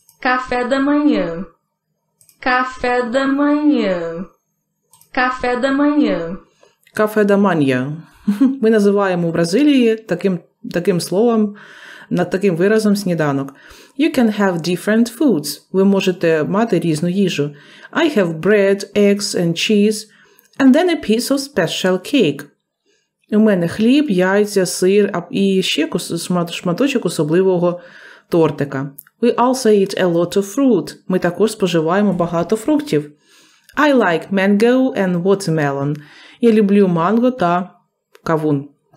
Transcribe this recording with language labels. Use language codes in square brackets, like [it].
[pt] Café da manhã. Café da manhã. Café da manhã. Café da manhã. [uk] Ми називаємо в Бразилії таким словом, над таким виразом сніданок. [en] You can have different foods. [uk] Ви можете мати різну їжу. [en] I have bread, eggs and cheese, and then a piece of special cake. [uk] У мене хліб, яйця, сир і ще шматочок особливого тортика. [en] We also eat a lot of fruit. [uk] Ми також споживаємо багато фруктів. [en] I like mango and watermelon. [uk] Я люблю манго та кавун.